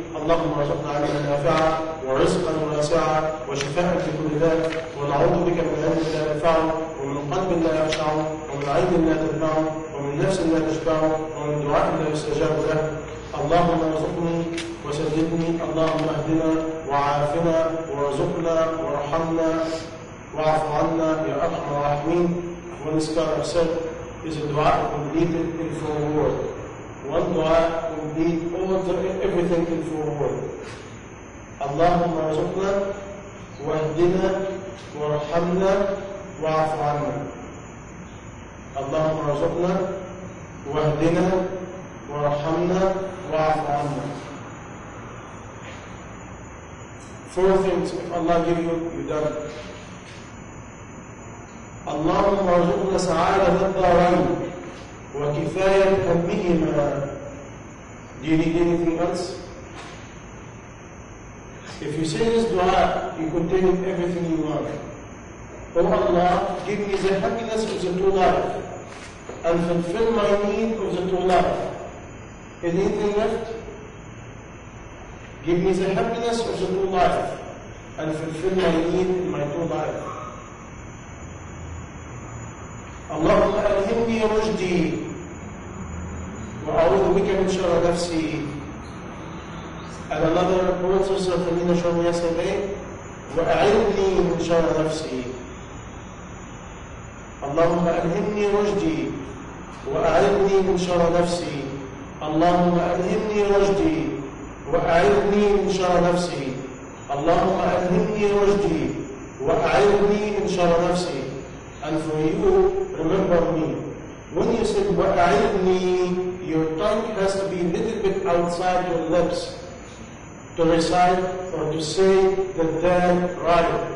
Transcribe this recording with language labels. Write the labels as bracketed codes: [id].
[ar] اللهم ارزقنا علما نافعا ورزقا واسعا وشفاء في كل داء، ونعوذ بك من علم لا ينفع ومن قلب لا يخشع ومن عين لا تدمع ومن نفس لا تشبع ومن دعاء لا يستجاب له. اللهم ارزقني وسددني، اللهم اهدنا وعافنا وارزقنا وارحمنا واعف عنا يا ارحم الراحمين. [en] One star of self is a dua completed in full world. One dua complete all the everything in full world. [ar] اللهم ارزقنا واهدنا وارحمنا واعف عنا. اللهم ارزقنا واهدنا وارحمنا واعف عنا. [en] Four things, if Allah give you, you done. [ar] اللهم ارزقنا سعادة الدارين وكفاية حبهما. [en] Do you need anything else? If you say this dua, you contain everything you want. Oh Allah, give me the happiness of the two life and fulfill my need of the two life. Anything left? Give me the happiness of the two life and fulfill my need in my two life. [ar] اللهم ألهمني رشدي وأعوذ بك من شر نفسي. [en] And another quote also from Ibn Shahab yesterday, [ar] وأعذني من شر نفسي. اللهم ألهمني رشدي وأعذني من شر نفسي. اللهم ألهمني رشدي وأعذني من شر نفسي، اللهم أهدني رشدي وأعذني من شر نفسي. [en] And for you, remember me. When you said وأعذني, your tongue has to be a little bit outside your lips to recite or to say the dead right.